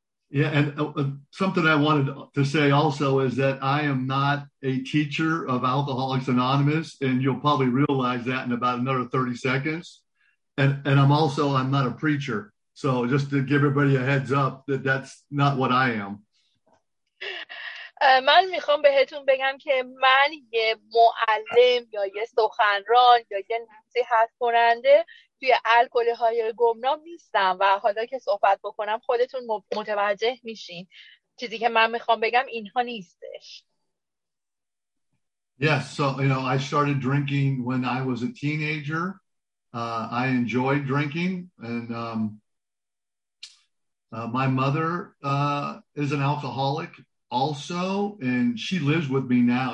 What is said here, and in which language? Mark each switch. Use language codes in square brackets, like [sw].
[en] Yeah, and something I wanted to say also is that I am not a teacher of Alcoholics Anonymous, and you'll probably realize that in about another 30 seconds. And I'm not a preacher. So just to give everybody a heads up that that's not what I am. [fa] من میخوام بهتون بگم که من یه معلم یا یه سخنران یا یه نصیحت کننده توی الکل‌های گمنام نیستم و حالا که صحبت بکنم خودتون متوجه میشین. چیزی که من میخوام بگم اینها نیستش. [en] Yes, so you know, I started drinking when I was a teenager. I enjoyed drinking, and my mother is an alcoholic also, and she lives with me now.